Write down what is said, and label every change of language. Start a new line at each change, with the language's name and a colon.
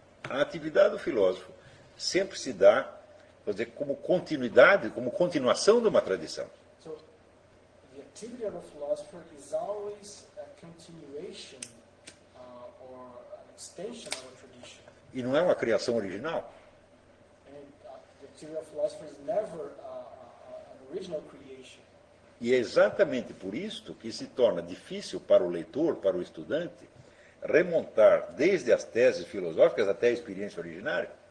Portuguese: A atividade do filósofo sempre se dá, quer dizer, como continuidade, como continuação de uma tradição.
English: So, the activity of a philosopher is always a continuation or an extension of a tradition.
Portuguese: E não é uma criação original.
English: The activity of a philosopher is never an original creation.
Portuguese: E é exatamente por isso que se torna difícil para o leitor, para o estudante, remontar desde as teses filosóficas até a experiência originária.